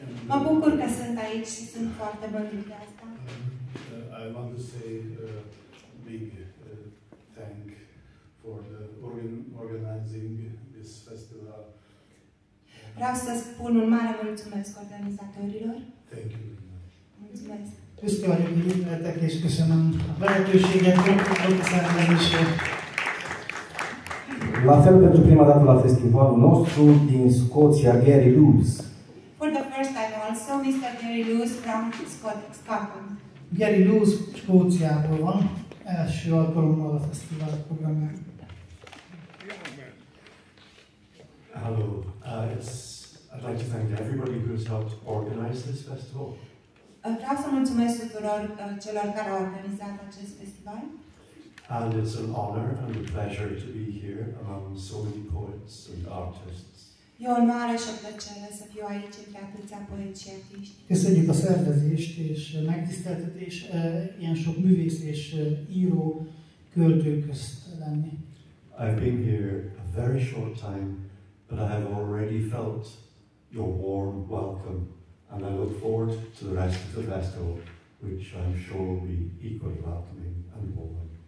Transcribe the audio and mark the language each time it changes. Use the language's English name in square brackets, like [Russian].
[Romanian] mă bucur că sunt aici și sunt foarte mândrită asta. [English] I want to say big thank for the organizing this festival. [Romanian] Vreau să spun un mare mulțumesc organizatorilor. [English] Thank you. [Romanian] Mulțumesc. [Hungarian] Köszönöm, hogy mindenetek és köszönöm a lehetőséget, hogy a szervezésért. [Romanian] La fel pentru prima dată la festivalul nostru din Scoția, Gary Lewis. [English] For the first time also, Mr. Gary Lewis from Scotland. [Hungarian] Gary Lewis, Scoțiából van, első alkalommal a festival programján. [English] Hello, I'd like to thank everybody who has helped organize this festival. [Romanian] Vreau să mulțumesc tuturor celor care au organizat acest festival. [English] And it's an honor and a pleasure to be here among so many poets and artists. [Romanian] E o onoare și o plăcere să fiu aici între atâția poeți și artiști. [Hungarian] Köszönjük a szervezést és megtiszteltetés ilyen sok művész és író költő közt lenni. [English] I've been here a very short time, but I have already felt your warm welcome, and I look forward to the rest of the festival, which I'm sure will be equally welcoming and warm.